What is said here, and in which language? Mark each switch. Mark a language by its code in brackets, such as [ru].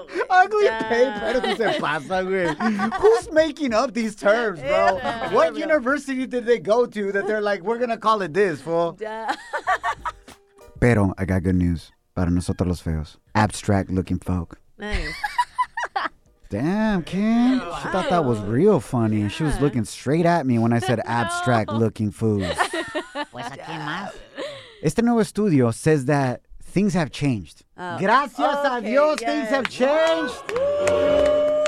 [en] Ugly pay penalty [es] se pasa, güey. [en] Who's making up these terms, bro? What university did they go to that they're like, we're going to call it this, fool? [es] Pero [en] I got good news [es] para nosotros los feos. [en] Abstract looking folk. Nice. Damn, Kim. Wow. She thought that was real funny. Yeah. She was looking straight at me when I said abstract looking fools. [es] Pues aquí más. Este nuevo estudio [en] says that things have changed. Oh. [es] Gracias a Dios, [en] things have changed.